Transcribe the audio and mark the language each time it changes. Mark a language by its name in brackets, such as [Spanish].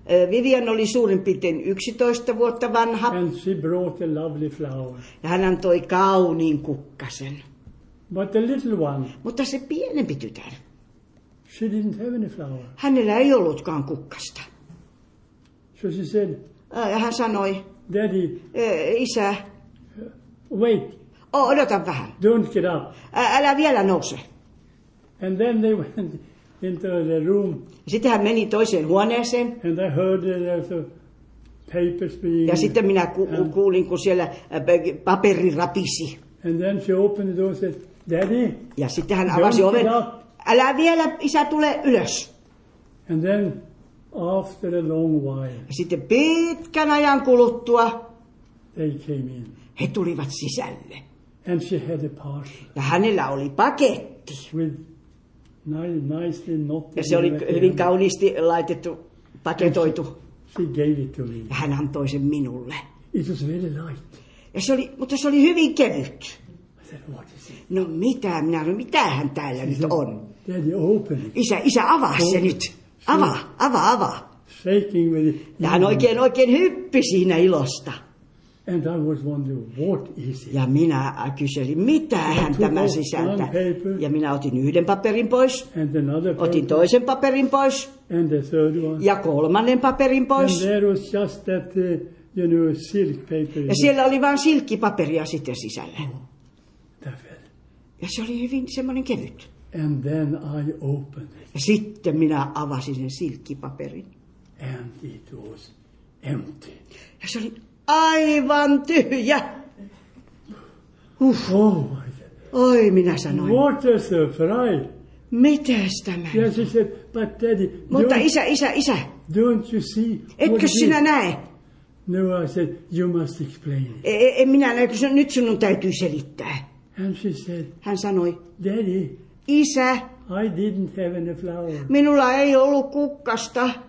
[Finnish] Vivian oli suurin piirtein 11 vuotta vanha. [English] And she brought a lovely flower. [Finnish] Ja hän antoi kauniin kukkasen. [English] But the little one. [Finnish] Mutta se pienempi tytär. [English] She didn't have any flower. [Finnish] Hänellä ei ollutkaan kukkasta. [English] So she said. [Finnish] Ja hän sanoi. [English] Daddy. [Finnish] Isä. [English] Wait. [Finnish] Odota vähän. [English] Don't get up. [Finnish] Älä vielä nouse. [English] And then they went into the room. [Finnish] Sitten hän meni toiseen huoneeseen. [English] And I heard there's a papers being. [Finnish] Ja sitten minä kuulin, kun siellä paperi rapisi. [English] And then she opened the door and said, Daddy. [Finnish] Ja sitten hän avasi oven. Älä vielä, isä tulee ylös. [English] And then after a long while. [Finnish] Ja sitten pitkän ajan kuluttua. [English] They came in. [Finnish] He tulivat sisälle. [English] And she had a parcel. [Finnish] Ja hänellä oli paketti. [English] With nicely knotted. [Finnish] Ja se oli hyvin kauniisti laitettu, paketoitu. [English] She gave it to me. [Finnish] Ja hän antoi sen minulle. [English] It was very light. [Finnish] Ja se oli, mutta se oli hyvin kevyt. [English] I said, what is it? [Finnish] No mitä, minä sanoin, mitä hän täällä nyt on? [English] Daddy, open it. [Finnish] Isä avaa open. Se nyt. Avaa. [English] Shaking with it. [Finnish] Ja hän oikein hyppi siinä ilosta. [English] And I was wondering, what is it? [Finnish] Ja minä kyselin, mitä hän tämä sisältä. Ja minä otin yhden paperin pois. [English] And another paper. [Finnish] Otin toisen paperin pois. [English] And the third one. [Finnish] Ja kolmannen paperin pois. [English] And there was just that, you know, silk paper. [Finnish] Ja siellä oli vain silkkipaperia sitten sisällä. Oh, ja se oli hyvin semmoinen kevyt. [English] And then I opened it. [Finnish] Ja sitten minä avasin sen silkkipaperin. [English] And it was empty. [Finnish] Ja se oli aivan tyhjä. [English] Uff. Oh my God. [Finnish] Oi, minä sanoin. [English] What a surprise. [Finnish] Mitäs tämä? [English] Yes, he said, but daddy. [Finnish] Mutta isä. [English] Don't you see? [Finnish] Etkö sinä näe? [English] No, I said, you must explain. [Finnish] En minä näe, kun nyt sinun täytyy selittää. [English] And she said. [Finnish] Hän sanoi. [English] Daddy. [Finnish] Isä. [English] I didn't have any flower. [Finnish] Minulla ei ollut kukkasta.